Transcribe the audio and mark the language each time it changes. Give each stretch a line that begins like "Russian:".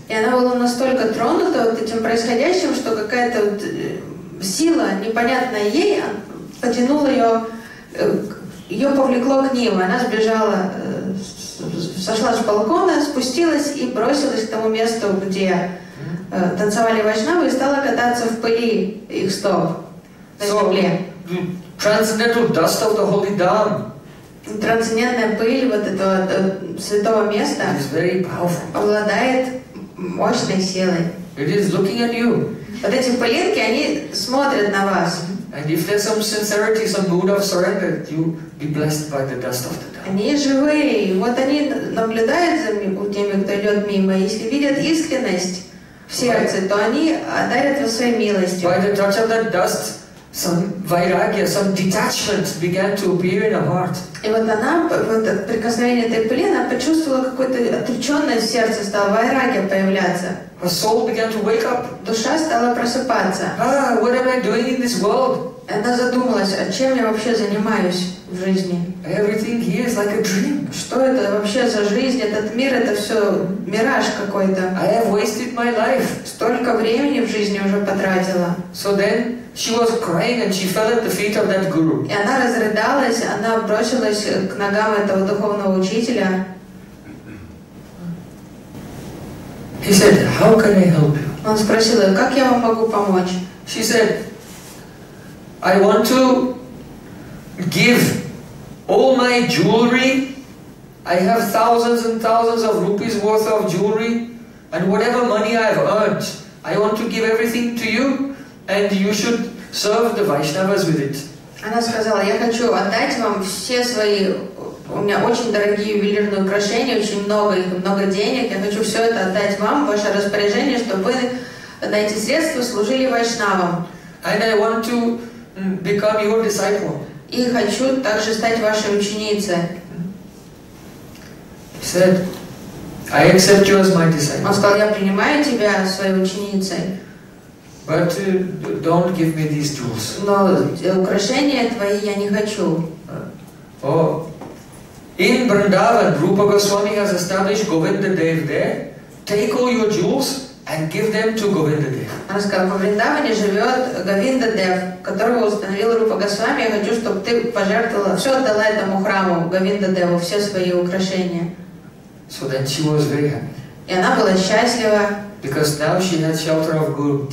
Russian: И она была настолько тронута вот этим происходящим, что какая-то вот сила непонятная ей потянула ее повлекло к ним, она сбежала, сошла с балкона, спустилась и бросилась к тому месту, где танцевали вайшнавы и стала кататься в пыли их стоп на земле.
English: Transcendental dust of the holy dam.
Russian: Трансцендентная пыль вот этого святого места обладает мощной силой.
English: It is looking at you.
Russian: Вот эти пылинки, они смотрят на вас.
English: And if there's some sincerity, some mood of surrender, you be blessed by the dust of the dam.
Russian: Они живые, вот они наблюдают за теми, кто идет мимо, если видят искренность в сердце, то они дарят вас своей милостью.
English: By the touch of that dust, some vairagya, some detachment began to appear in her heart.
Russian: И вот она, вот от прикосновения этой пыли, она почувствовала какое-то отвлеченное сердце, стало вайрагья появляться.
English: Her soul began to wake up.
Russian: Душа стала просыпаться.
English: Ah, what am I doing in this world?
Russian: Она задумалась, а чем я вообще занимаюсь в жизни?
English: Everything here is like a dream.
Russian: Что это вообще за жизнь? Этот мир, это все мираж какой-то.
English: I have wasted my life.
Russian: Столько времени в жизни уже потратила.
English: So then she was crying and she fell at the feet of that guru.
Russian: И она разрыдалась, она бросилась к ногам этого духовного учителя.
English: He said, "How can I help you?"
Russian: Он спросил ее, как я вам могу помочь?
English: She said, "I want to give all my jewelry. I have thousands and thousands of rupees worth of jewelry, and whatever money I have earned, I want to give everything to you, and you should serve the Vaishnavas with it."
Russian: Она сказала, я хочу отдать вам все свои, у меня очень дорогие ювелирные украшения, очень много их, много денег. Я хочу все это отдать вам, ваше распоряжение, чтобы вы на эти средства служили вайшнавам.
English: And I want to become your disciple.
Russian: И хочу также стать вашей ученицей.
English: He said, I accept you as my disciple.
Russian: Он сказал, я принимаю тебя своей ученицей.
English: But don't give me these tools.
Russian: Но украшения твои я не хочу.
English: In Vrindavan, Rupa Goswami has established Govinda Dev there. Take all your jewels and give them to Govinda Dev.
Russian: Она сказала, во Вриндаване живет Говинда Дев, которого установил Рупа Госвами. Я хочу, чтобы ты пожертвовала, все отдала этому храму Говинда Деву, все свои украшения.
English: So then she was very happy.
Russian: И она была счастлива.
English: Because now she had shelter of Guru.